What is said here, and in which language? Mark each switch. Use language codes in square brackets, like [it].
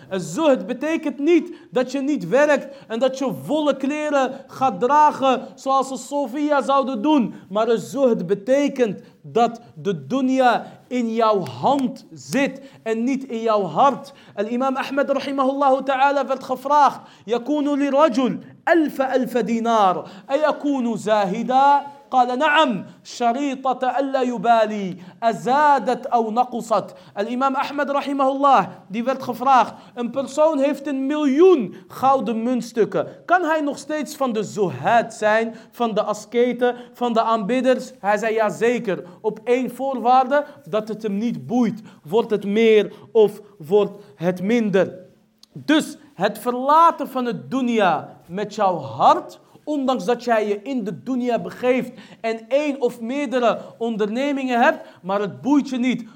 [nl] Zuhd betekent niet dat je niet werkt en dat je volle kleren gaat dragen zoals de Sofia zouden doen. Maar zuhd betekent dat de dunya in jouw hand zit en niet in jouw hart. Al-Imam Ahmed rahimahullahu ta'ala werd gevraagd. [ar] Yakunu li rajul alfa dinar. Ayakunu zahida? قال نعم شريطة ألا يبالي أزادت أو نقصت. الإمام أحمد رحمه الله دي [nl] werd gevraagd. Een persoon heeft een miljoen gouden muntstukken. Kan hij nog steeds van de zuhad zijn? Van de asketen? Van de aanbidders? Hij zei ja zeker. Op één voorwaarde dat het hem niet boeit. Wordt het meer of wordt het minder? Dus het verlaten van het dunia met jouw hart, ondanks dat jij je in de dunia begeeft en één of meerdere ondernemingen hebt, maar het boeit je niet.